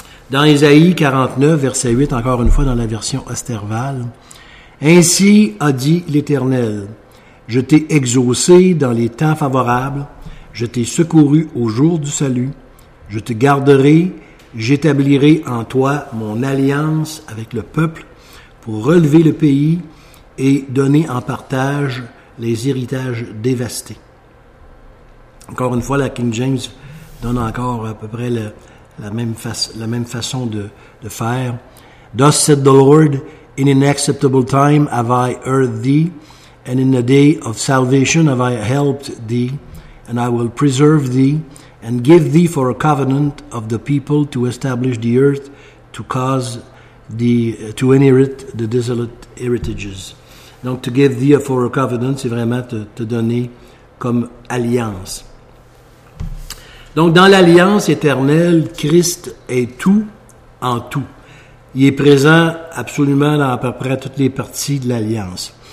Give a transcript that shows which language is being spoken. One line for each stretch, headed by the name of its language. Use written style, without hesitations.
French: Dans Ésaïe 49, verset 8, encore une fois dans la version Osterval, ainsi a dit l'Éternel, je t'ai exaucé dans les temps favorables, je t'ai secouru au jour du salut, je te garderai, j'établirai en toi mon alliance avec le peuple pour relever le pays et donner en partage les héritages dévastés. Encore une fois, la King James donne encore à peu près la même façon de faire.
English: Thus said the Lord, in an acceptable time have I heard thee, and in a day of salvation have I helped thee, and I will preserve thee, and give thee for a covenant of the people to establish the earth, to cause to inherit the desolate heritages.
French: Donc,
English: to give thee for a covenant,
French: c'est vraiment te donner comme alliance. Donc, dans l'alliance éternelle, Christ est tout en tout. Il est présent absolument dans à peu près toutes les parties de l'Alliance.